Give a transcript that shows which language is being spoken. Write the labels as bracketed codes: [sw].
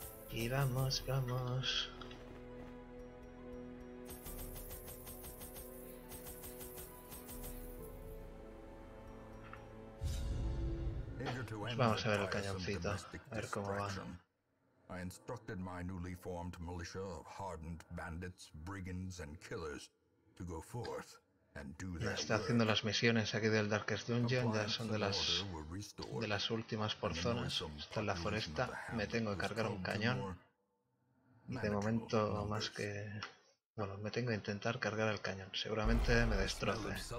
[es] Y vamos, vamos. Pues vamos a ver el cañoncito, a ver cómo va. [en] I instructed my newly formed militia of hardened bandits, brigands, and killers to go forth and do their work. [es] Ya está haciendo las misiones aquí del Darkest Dungeon, ya son de las últimas por zonas. Está en la foresta, me tengo que cargar un cañón. De momento, más que... Bueno, me tengo que intentar cargar el cañón. Seguramente me destroce.